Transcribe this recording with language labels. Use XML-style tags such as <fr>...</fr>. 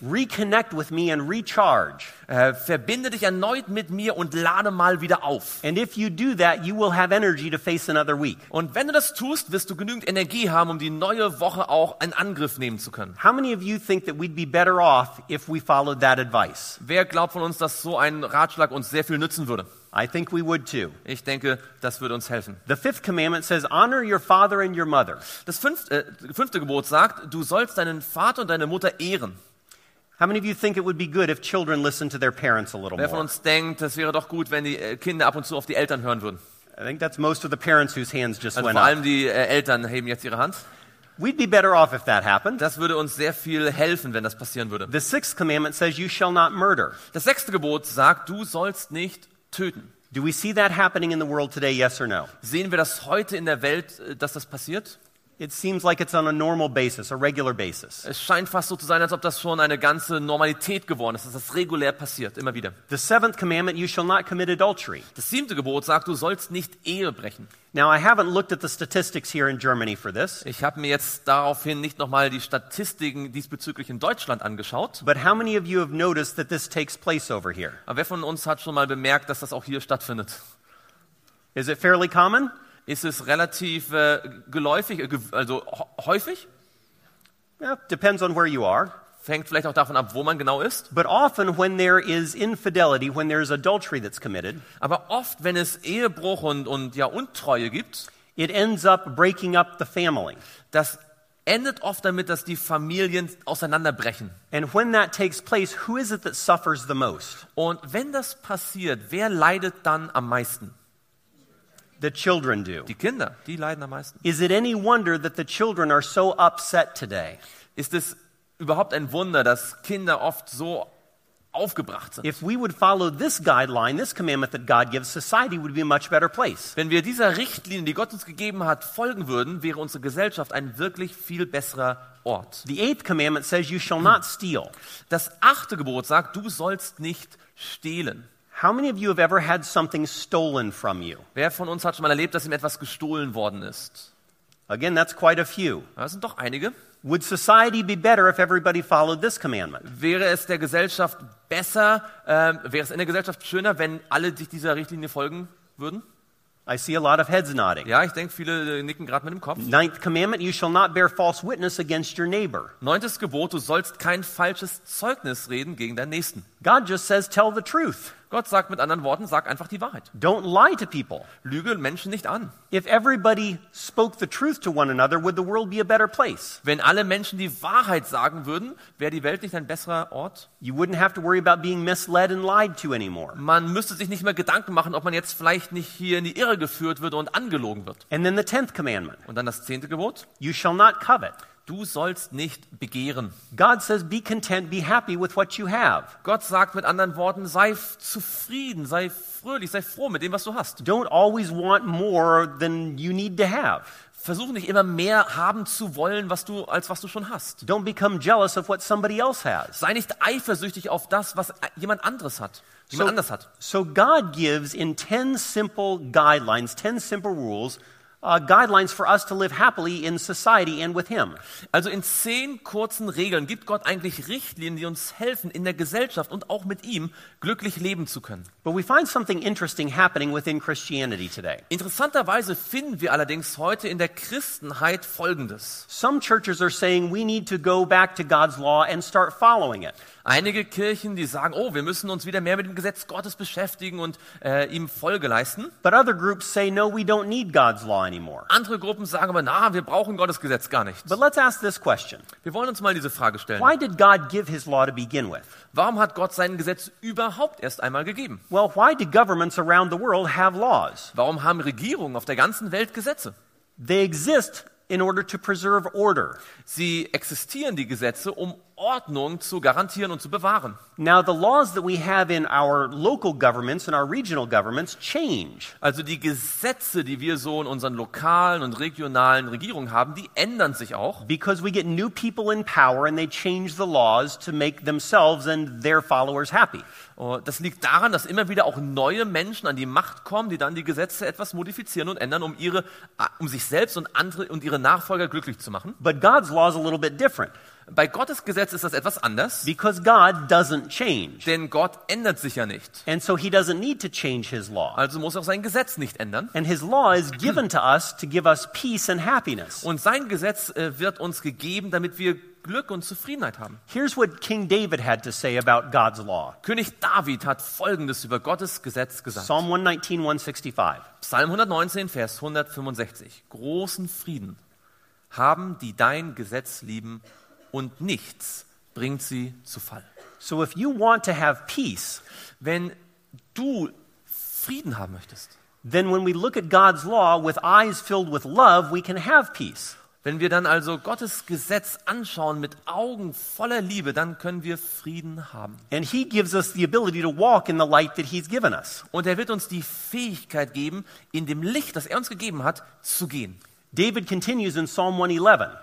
<en>Reconnect with me and recharge.</en> <de>Verbinde dich erneut mit mir und lade mal wieder auf.</de> <en>And if you do that, you will have energy to face another week.</en> <de>Und wenn du das tust, wirst du genügend Energie haben, um die neue Woche auch in Angriff nehmen zu können.</de> <en>How many of you think that we'd be better off if we followed that advice?</en> <de>Wer glaubt von uns, dass so ein Ratschlag uns sehr viel nützen würde?</de> <en>I think we would too.</en> <de>Ich denke, das würde uns helfen.</de> <en>The fifth commandment says, honor your father and your mother.</en> <de>Das fünfte Gebot sagt, du sollst deinen Vater und deine Mutter ehren.</de> <en>How many of you think it would be good if children listened to their parents a little more?</en> <de>Wer von uns denkt, das wäre doch gut, wenn die Kinder ab und zu auf die Eltern hören würden?</de> <en>I think that's most of the parents whose hands just</en> <de>also</de> <en>went</en> <de>vor allem</de> <en>up.</en> <de>Die Eltern heben jetzt ihre Hand.</de> <en>We'd be better off if that happened.</en> <de>Das würde uns sehr viel helfen, wenn das passieren würde.</de> <en>The sixth commandment says, you shall not murder.</en> <de>Das sechste Gebot sagt, du sollst nicht töten.</de> <en>Do we see that happening in the world today, yes or no?</en> <de>Sehen wir das heute in der Welt, dass das passiert?</de> <en>It seems like it's on a normal basis, a regular basis.</en> <de>Es scheint fast so zu sein, als ob das schon eine ganze Normalität geworden ist, dass das regulär passiert, immer wieder.</de> <en>The seventh commandment, you shall not commit adultery.</en> <de>Das siebte Gebot sagt, du sollst nicht Ehe brechen.</de> <en>Now I haven't looked at the statistics here in Germany for this.</en> <de>Ich habe mir jetzt daraufhin nicht nochmal die Statistiken diesbezüglich in Deutschland angeschaut.</de> <en>But how many of you have noticed that this takes place over here?</en> <de>Aber wer von uns hat schon mal bemerkt, dass das auch hier stattfindet?</de> <en>Is it fairly common?</en> <de>Ist es relativ häufig?</de> <en>Yeah, depends on where you are.</en> <de>Fängt vielleicht auch davon ab, wo man genau ist.</de> <en>But often when there is infidelity, when there is adultery that's committed.</en> <de>Aber oft, wenn es Ehebruch und ja Untreue gibt,</de> <en>it ends up breaking up the family.</en> <de>Das endet oft damit, dass die Familien auseinanderbrechen.</de> <en>And when that takes place, who is it that suffers the most?</en> <de>Und wenn das passiert, wer leidet dann am meisten?</de> <en>The children do.</en> <de>Die Kinder, die leiden am meisten.</de> <en>Is it any wonder that the children are so upset today?</en> <de>Ist es überhaupt ein Wunder, dass Kinder oft so aufgebracht sind?</de> <en>If we would follow this guideline, this commandment that God gives, society would be a much better place.</en> <de>Wenn wir dieser Richtlinie, die Gott uns gegeben hat, folgen würden, wäre unsere Gesellschaft ein wirklich viel besserer Ort.</de> <en>The eighth commandment says you shall not steal.</en> <de>Das achte Gebot sagt, du sollst nicht stehlen.</de> <en>How many of you have ever had something stolen from you?</en> <de>Wer von uns hat schon mal erlebt, dass ihm etwas gestohlen worden ist?</de> <en>Again, that's quite a few.</en> <de>Das sind doch einige.</de> <en>Would society be better if everybody followed this commandment?</en> <de>Wäre es der Gesellschaft besser, wäre es in der Gesellschaft schöner, wenn alle sich dieser Richtlinie folgen würden?</de> <en>I see a lot of heads nodding.</en> <de>Ja, ich denke, viele nicken gerade mit dem Kopf.</de> <en>Ninth commandment, you shall not bear false witness against your neighbor.</en> <de>Neuntes Gebot, du sollst kein falsches Zeugnis reden gegen deinen Nächsten.</de> <en>God just says, tell the truth.</en> <de>Gott sagt mit anderen Worten, sag einfach die Wahrheit.</de> <en>Don't lie to people.</en> <de>Lüge Menschen nicht an.</de> <en>If everybody spoke the truth to one another, would the world be a better place?</en> <de>Wenn alle Menschen die Wahrheit sagen würden, wäre die Welt nicht ein besserer Ort?</de> <en>You wouldn't have to worry about being misled and lied to anymore.</en> <de>Man müsste sich nicht mehr Gedanken machen, ob man jetzt vielleicht nicht hier in die Irre geführt wird und angelogen wird.</de> <en>And then the tenth commandment.</en> <de>Und dann das zehnte Gebot.</de> <en>You shall not covet.</en> <de>du sollst nicht begehren.</de> <en>God says, be content, be happy with what you have.</en> <de>Gott sagt mit anderen Worten, sei zufrieden, sei fröhlich, sei froh mit dem, was du hast.</de> <en>Don't always want more than you need to have.</en> <de>Versuch nicht immer mehr haben zu wollen, was du, als was du schon hast.</de> <en>Don't become jealous of what somebody else has.</en> <de>Sei nicht eifersüchtig auf das, was jemand anderes hat. Jemand anders hat.</de> <en>So God gives in 10 simple guidelines, 10 simple rules, guidelines for us to live happily in society and with him.</en> <de>Also in 10 kurzen Regeln gibt Gott eigentlich Richtlinien, die uns helfen, in der Gesellschaft und auch mit ihm glücklich leben zu können.</de> <en>But we find something interesting happening within Christianity today.</en> <de>Interessanterweise finden wir allerdings heute in der Christenheit Folgendes.</de> <en>Some churches are saying we need to go back to God's law and start following it.</en> <de>Einige Kirchen, die sagen, oh, wir müssen uns wieder mehr mit dem Gesetz Gottes beschäftigen und ihm Folge leisten.</de> <en>But other groups say, no, we don't need God's law anymore.</en> <de>Andere Gruppen sagen aber, na, wir brauchen Gottes Gesetz gar nicht.</de> <en>But let's ask this question.</en> <de>Wir wollen uns mal diese Frage stellen.</de> <en>Why did God give his law to begin with?</en> <de>Warum hat Gott sein Gesetz überhaupt erst einmal gegeben?</de> <en>Well, why do governments around the world have laws?</en> <de>Warum haben Regierungen auf der ganzen Welt Gesetze?</de> <en>They exist in order to preserve order.</en> <de>Sie existieren, die Gesetze, um Ordnung zu garantieren und zu bewahren.</de> <en>Now the laws that we have in our local governments and our regional governments change.</en> <de>Also die Gesetze, die wir so in unseren lokalen und regionalen Regierungen haben, die ändern sich auch.</de> <en>Because we get new people in power and they change the laws to make themselves and their followers happy.</en> <de>Das liegt daran, dass immer wieder auch neue Menschen an die Macht kommen, die dann die Gesetze etwas modifizieren und ändern, um sich selbst und andere und ihre Nachfolger glücklich zu machen.</de> <en>But God's law is a little bit different.</en> <de>Bei Gottes Gesetz ist das etwas anders.</de> <en>Because God doesn't change.</en> <de>Denn Gott ändert sich ja nicht.</de> <en>And so he doesn't need to change his law.</en> <de>Also muss auch sein Gesetz nicht ändern.</de> <en>And his law is given to us to give us peace and happiness.</en> <de>Und sein Gesetz wird uns gegeben, damit wir Glück und Zufriedenheit haben.</de> <en>Here's what King David had to say about God's law.</en> <de>König David hat Folgendes über Gottes Gesetz gesagt.</de> <en>Psalm 119:165.</en> <de>Psalm 119, Vers 165. Großen Frieden haben die dein Gesetz lieben. Und nichts bringt sie zu Fall.</de> <en>So if you want to have peace,</en> <de>wenn du Frieden haben möchtest,</de> <en>then when we look at God's law with eyes filled with love, we can have peace.</en> <de>Wenn wir dann also Gottes Gesetz anschauen mit Augen voller Liebe, dann können wir Frieden haben.</de> <en>And he gives us the ability to walk in the light that he's given us.</en> <de>Und er wird uns die Fähigkeit geben, in dem Licht, das er uns gegeben hat, zu gehen.</de> <en>David continues in Psalm 111.</en>